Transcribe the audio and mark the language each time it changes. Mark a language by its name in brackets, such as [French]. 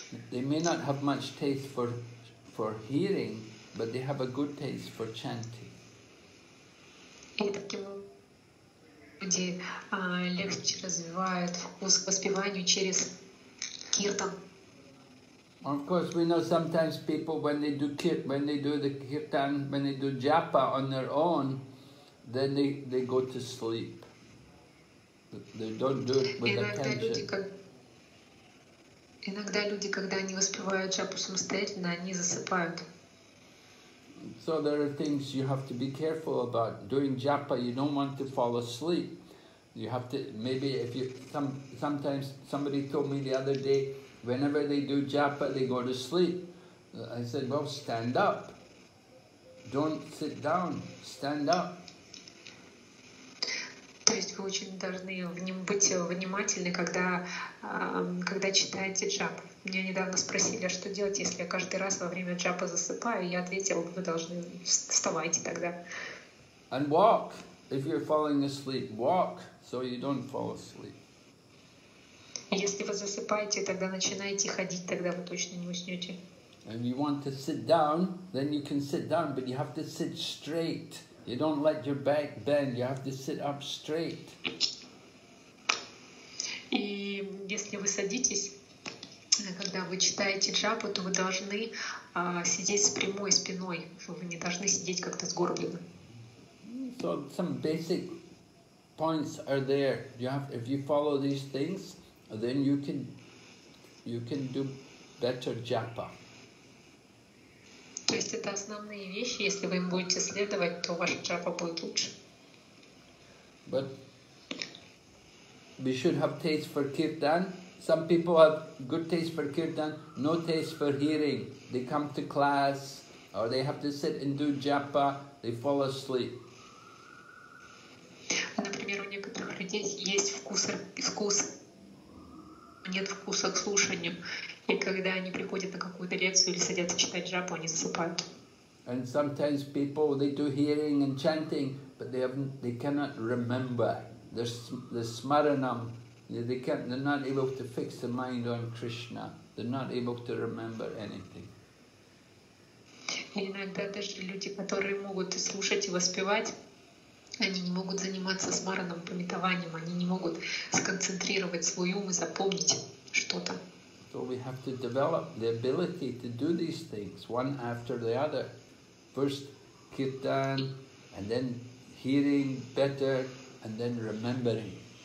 [English] They may not have much taste for hearing, but they have a good taste for chanting. [Russian] И таким люди легче развивают вкус к воспеванию через киртан. [English] Of course, we know sometimes people when they do japa on their own, then they go to sleep. They don't do it with [Russian] иногда люди, когда они воспевают джапу самостоятельно, они засыпают. [English] So there are things you have to be careful about. Doing japa, you don't want to fall asleep. You have to, maybe if you, sometimes somebody told me the other day, whenever they do japa, they go to sleep. I said, well, stand up. Don't sit down, stand up. [Russian] То есть вы очень должны быть внимательны, когда читаете джап. Меня недавно спросили, а что делать, если я каждый раз во время джапа засыпаю, и я ответил, вы должны вставайте тогда. [English] And walk. If you're falling asleep, walk, so you don't fall asleep. [Russian] Если вы засыпаете, тогда начинайте ходить, тогда вы точно не уснете. [English] And you want to sit down, then you can sit down, but you have to sit straight. You don't let your back bend, you have to sit up straight. [Russian] И если вы садитесь, когда вы читаете джапу, то вы должны сидеть с прямой спиной. Вы не должны сидеть как-то сгорбленно. [English] So some basic points are there. You have, if you follow these things, then you can do better japa. [Russian] То есть это основные вещи, если вы им будете следовать, то ваша джапа будет лучше. [English] But we should have taste for kirtan. Some people have good taste for kirtan, no taste for hearing. They come to class, or they have to sit and do japa, they fall asleep. [Russian] Например, у некоторых людей есть вкус, нет вкуса к слушанию. И когда они приходят на какую-то лекцию или садятся читать джапу, они засыпают. [English] And sometimes people, they do hearing and chanting, but they cannot remember. They're smaranam. They're not able to fix the mind on Krishna. They're not able to remember anything. [Russian] И иногда даже люди, которые могут и слушать, и воспевать, они не могут заниматься смаранам, памятованием. Они не могут сконцентрировать свой ум и запомнить что-то. [English] So we have to develop the ability to do these things one after the other. First kirtan, and then hearing better, and then remembering.